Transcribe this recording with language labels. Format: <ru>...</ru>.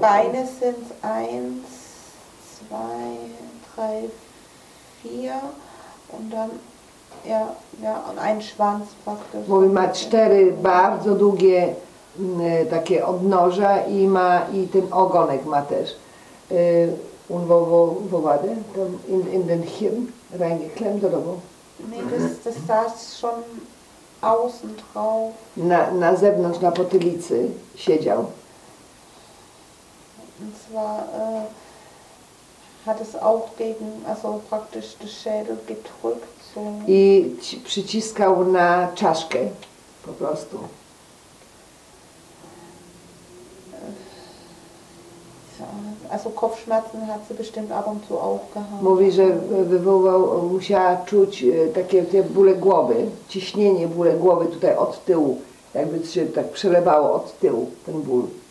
<de>Beine sind eins, zwei, drei, vier und dann ja, ein Schwanz praktisch.</de> <pl>Mówi, ma cztery bardzo długie takie odnoża i ma i ten ogonek ma też.</pl> <de>Und wo war der? Dann in den Hirn reingeklemmt oder wo? Nee, das saß schon außen drauf.</de> <pl>Na zewnątrz, na potylicy siedział.</pl> <de>Und zwar hat es auch gegen, also praktisch den Schädel gedrückt.</de> <pl>I przyciskał na czaszkę, po prostu.</pl> <de>Also Kopfschmerzen hat sie bestimmt ab und zu auch gehabt.</de> <pl>Mówi, że wywołał, musiała czuć takie te bóle głowy, ciśnienie bóle głowy tutaj od tyłu, jakby się tak przelewało od tyłu ten ból.</pl>